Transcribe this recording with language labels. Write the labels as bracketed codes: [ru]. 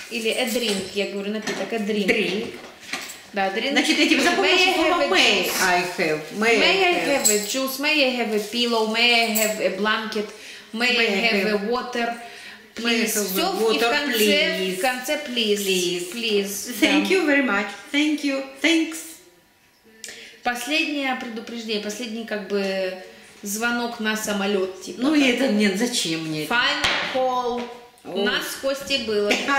[ru] Или [en] a drink, [ru] я говорю напиток, a drink. [en] Drink. [ru] Да, drink. Значит, я тебе запомнила слово [en] may I have. May I have a juice, may I have a pillow, may I have a blanket, may I have a water. Please, water, [ru] в конце please. [en] Thank you very much. Thank you. Thanks. [ru] Последнее предупреждение, последний как бы звонок на самолет. Типа, ну и это нет, зачем мне? [en] Final call. [ru] У нас с Костей было.